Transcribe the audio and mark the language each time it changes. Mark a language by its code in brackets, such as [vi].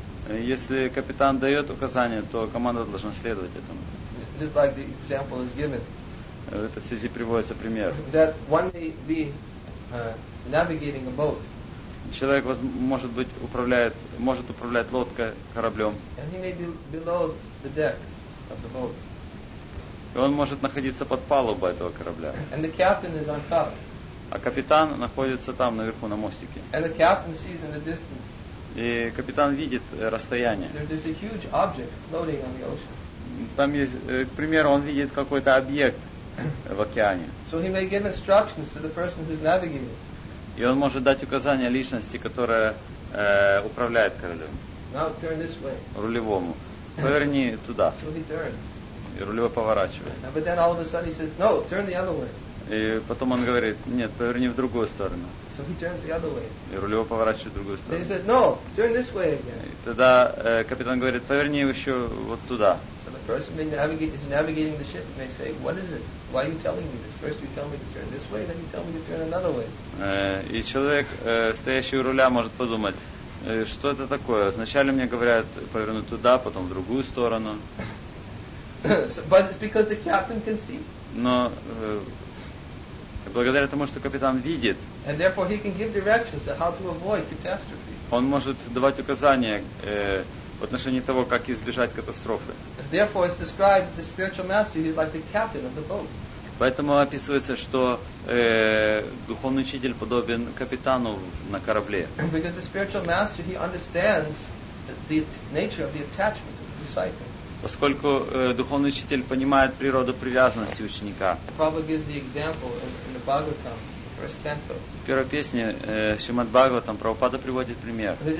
[ru] Если капитан дает указания, то команда должна следовать этому. [en] Just like the example is given. [ru] В этой связи приводится пример. [en] That one may be navigating a boat. [ru] Человек может быть управлять лодкой, кораблем. [en] And he may be below the deck of the boat. [ru] И он может находиться под палубой этого корабля. [en] And the captain is on top. [ru] А капитан находится там, наверху, на мостике. [en] And the captain sees in the distance. [ru] И капитан видит расстояние. [en] There's a huge object floating on the ocean. [ru] Там есть, к примеру, он видит какой-то объект в океане. [en] So he may give instructions to the person who's navigating. [ru] И он может дать указания личности, которая управляет кораблем. [en] Now turn this way. [ru] Рулевому. Поверни туда. [en] So he turns. [ru] И рулево поворачивает. [en] But then all of a sudden he says, no, turn the other way. [ru] И потом он говорит, нет, поверни в другую сторону. [en] So he turns the other way. [ru] И рулево поворачивает в другую сторону. [en] Then he says, no, turn this way again. [ru] И тогда капитан говорит, поверни еще вот туда. [en] So the person may navigate, is navigating the ship and they say, what is it? Why are you telling me this? First you tell me to turn this way, then you tell me to turn another way. [ru] И человек, стоящий у руля, может подумать, что это такое? Вначале мне говорят повернуть туда, потом в другую сторону. [en] But it's because the captain can see. [ru] Но благодаря тому, что капитан видит, [en] and therefore he can give directions on how to avoid catastrophe. [ru] Он может давать указания в отношении того, как избежать катастрофы. [en] Therefore, it's described the spiritual master. He's like the captain of the boat. [ru] Поэтому описывается, что духовный учитель подобен капитану на корабле. [en] Because the spiritual master, he understands the nature of the attachment of the disciple. [ru] Поскольку духовный учитель понимает природу привязанности ученика. В первой песне Шримад Бхагаватам Прабхупада приводит пример.